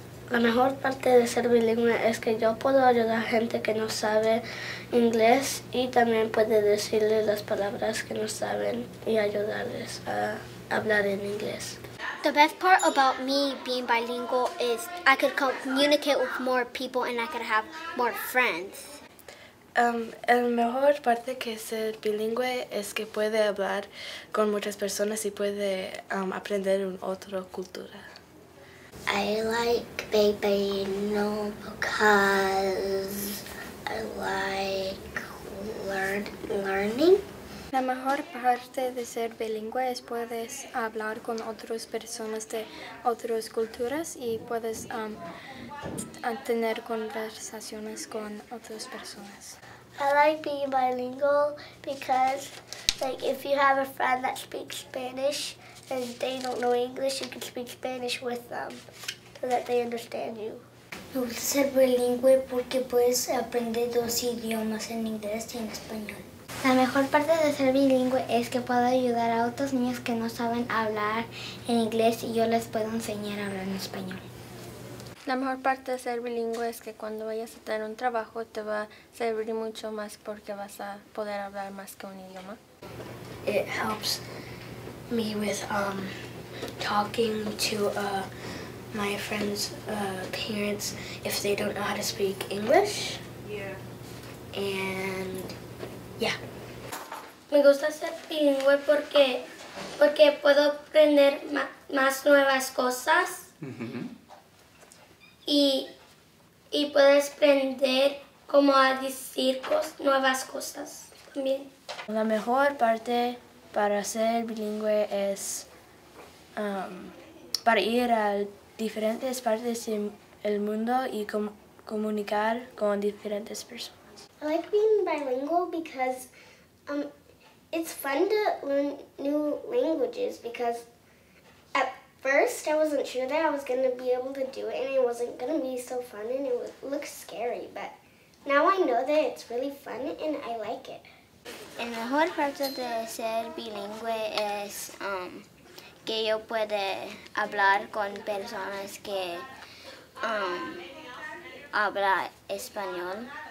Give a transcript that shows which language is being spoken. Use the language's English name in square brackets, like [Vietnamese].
[Spanish] La mejor parte de ser bilingüe es que yo puedo ayudar a gente que no sabe inglés y también puede decirles las palabras que no saben y ayudarles a hablar en inglés. [English] The best part about me being bilingual is I could communicate with more people and I could have more friends. [Spanish] La mejor parte que ser bilingüe es que puede hablar con muchas personas y puede aprender un otro cultura. [English] I like being bilingual because I like learning. [Spanish] La mejor parte de ser bilingüe es puedes hablar con otras personas de otras culturas y puedes tener conversaciones con otras personas. [English] I like being bilingual because, like, if you have a friend that speaks Spanish and they don't know English, you can speak Spanish with them so that they understand you. [Spanish] Me gusta ser bilingüe porque puedes aprender dos idiomas, en inglés y en español. La mejor parte de ser bilingüe es que puedo ayudar a otros niños que no saben hablar en inglés y yo les puedo enseñar a hablar en español. La mejor parte de ser bilingüe es que cuando vayas a tener un trabajo te va a servir mucho más porque vas a poder hablar más que un idioma. [English] It helps me with talking to my friends' parents if they don't know how to speak English. Yeah. And yeah. [Spanish] Me gusta ser bilingüe porque puedo aprender más nuevas cosas. Y puedes aprender cómo a decir nuevas cosas también. La mejor parte para ser bilingüe es para ir a diferentes partes del mundo y comunicar con diferentes personas. [English] I like being bilingual because it's fun to learn new languages because first, I wasn't sure that I was going to be able to do it, and it wasn't going to be so fun, and it looked scary, but now I know that it's really fun, and I like it. [Spanish] El mejor parte de ser bilingüe es que yo puedo hablar con personas que hablan español.